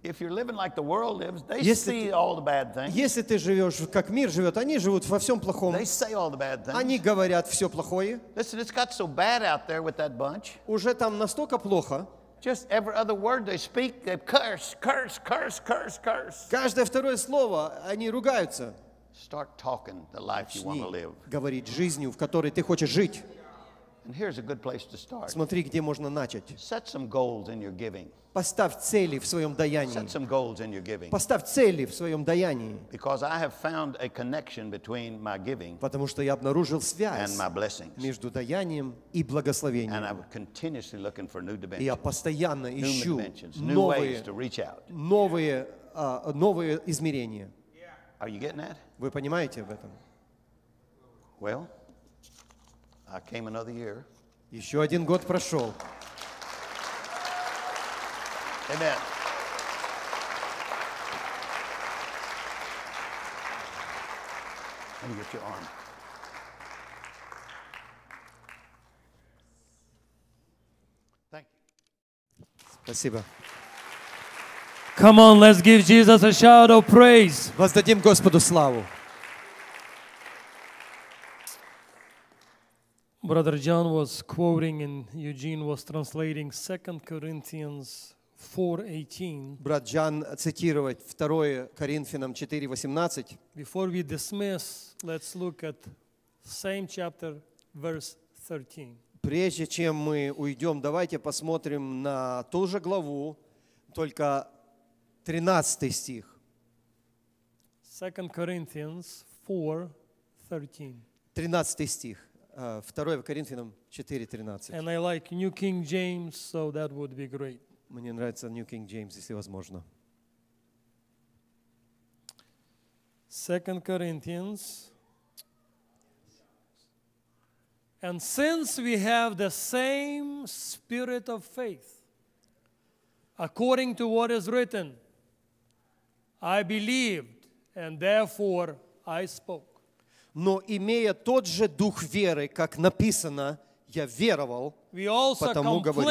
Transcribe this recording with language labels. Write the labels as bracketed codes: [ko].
[en] if you're living like the world lives, they see all the bad things. [ru] Если ты живешь, как мир живет, они живут во всем плохом. [en] They say all the bad things. [ru] Они говорят все плохое. [en] Listen, it's got so bad out there with that bunch. [ru] Уже там настолько плохо. [en] Just every other word they speak, they curse, curse, curse, curse, curse. [ru] Каждое второе слово они ругаются. [en] Start talking the life you want to live. [ru] Говорить жизнью, в которой ты хочешь жить. [en] And here's a good place to start. [ru] Смотри, где можно начать. [en] Set some goals in your giving. [ru] Поставь цели в своем даянии. [en] Set some goals in your giving. [ru] Поставь цели в своем даянии. [en] Because I have found a connection between my giving. [ru] Потому что я обнаружил связь. [en] And my blessings. [ru] Между даянием и благословением. [en] And I'm continuously looking for new dimensions. [ru] Я постоянно ищу новые [en] ways to reach out. [ru] Новые измерения. [en] Are you getting that? [ru] Вы понимаете об этом? [en] Well. I came another year. [ru] Еще один год прошел. [en] Amen. Let me get your arm. Thank you. [ru] Спасибо. [en] Come on, let's give Jesus a shout of praise. [ru] Воздадим Господу славу. [en] Brother John was quoting and Eugene was translating 2 Corinthians 4:18. [ru] Брат Джан цитирует 2 Коринфянам 4:18. [en] Before we dismiss, let's look at same chapter verse 13. [ru] Прежде чем мы уйдем, давайте посмотрим на ту же главу, только 13 стих. [en] 2 Corinthians 4:13. [ru] 13 стих. 2 Коринфянам 4:13. [en] And I like New King James, so that would be great. [ru] Мне нравится New King James, если возможно. [en] 2 Corinthians. And since we have the same spirit of faith, according to what is written, I believed, and therefore I spoke. [ru] Но имея тот же дух веры, как написано, я веровал, потому